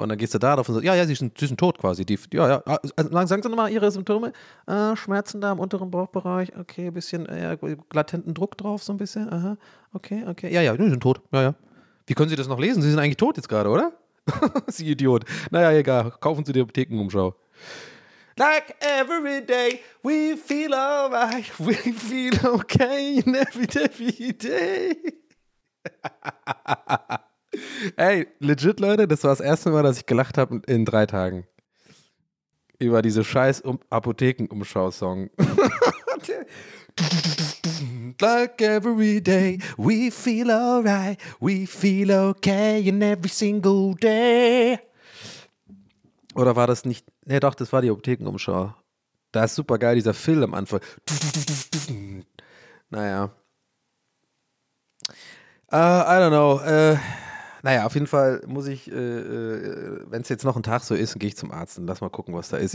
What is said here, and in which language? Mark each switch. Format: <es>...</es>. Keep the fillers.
<de>Und dann gehst du da drauf und sagst, ja, ja, sie sind, sie sind tot quasi. Die, ja, ja. Also, sagen Sie nochmal Ihre Symptome. Äh, Schmerzen da im unteren Bauchbereich. Okay, ein bisschen äh, Druck drauf so ein bisschen. Aha, okay, okay. Ja, ja, die sind tot. Ja, ja. Wie können Sie das noch lesen? Sie sind eigentlich tot jetzt gerade, oder? Sie Idiot. Naja, egal. Kaufen Sie die Apothekenumschau.</de> <en>Like every day, we feel alright, we feel okay every, every day.</en> <de>Ey, legit, Leute, das war das erste Mal, dass ich gelacht habe in drei Tagen. Über diese scheiß Apothekenumschau-Song.</de> <en>like every day, we feel alright, we feel okay in every single day.</en> <de>Oder war das nicht? Ne, doch, das war die Optikenumschau. Da ist super geil dieser Film am Anfang. Naja. Uh,</de> <en>I don't know.</en> <de>Uh, naja, auf jeden Fall muss ich, äh, wenn es jetzt noch ein Tag so ist, gehe ich zum Arzt und lass mal gucken, was da ist.</de>